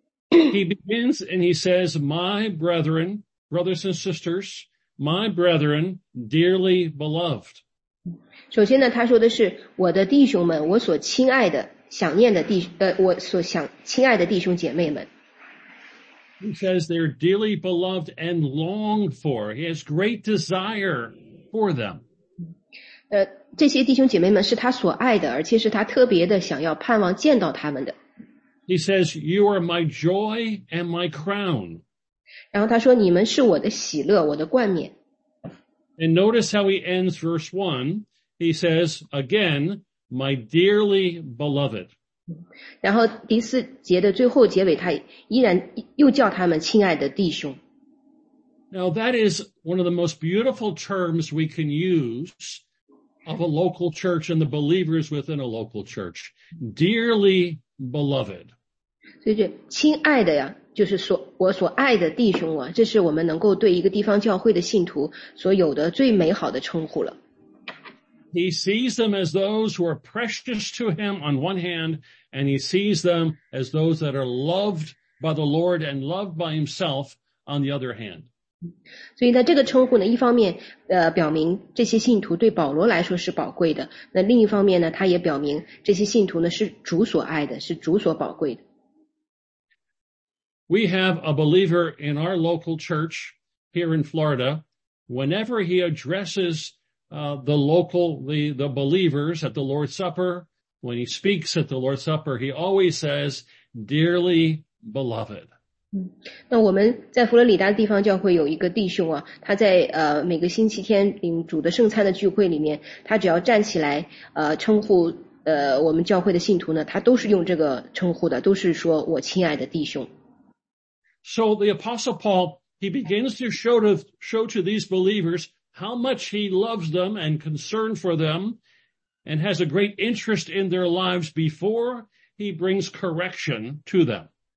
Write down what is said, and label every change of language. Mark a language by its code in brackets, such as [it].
[en] He begins and he says, "My brethren, brothers and sisters, my brethren, dearly beloved." [zh] 首先呢，他说的是我的弟兄们，我所亲爱的、想念的弟我所想亲爱的弟兄姐妹们。 [en] He says they're dearly beloved and longed for. He has great desire for them. [zh] 这些弟兄姐妹们是他所爱的，而且是他特别的想要盼望见到他们的。 [en] He says, "You are my joy and my crown." [zh] 然后他说，你们是我的喜乐，我的冠冕。 [en] And notice how he ends verse 1. He says, again, "My dearly beloved." [zh] 然后第四节的最后结尾，他依然又叫他们亲爱的弟兄。 [en] Now that is one of the most beautiful terms we can use of a local church and the believers within a local church. Dearly beloved. [zh] 所以这亲爱的呀，就是说我所爱的弟兄啊，这是我们能够对一个地方教会的信徒所有的最美好的称呼了。 [en] He sees them as those who are precious to him on one hand, and he sees them as those that are loved by the Lord and loved by himself on the other hand. [zh] 所以呢，这个称呼呢，一方面表明这些信徒对保罗来说是宝贵的，那另一方面呢，他也表明这些信徒呢是主所爱的，是主所宝贵的。 [en] We have a believer in our local church here in Florida. Whenever he addresses the believers at the Lord's Supper, when he speaks at the Lord's Supper, he always says, "Dearly beloved." [zh] 那我们在佛罗里达地方教会有一个弟兄啊，他在每个星期天领主的圣餐的聚会里面，他只要站起来称呼我们教会的信徒呢，他都是用这个称呼的，都是说我亲爱的弟兄。 [en] So the Apostle Paul, he begins to show to these believers how much he loves them and concern for them and has a great interest in their lives before he brings correction to them.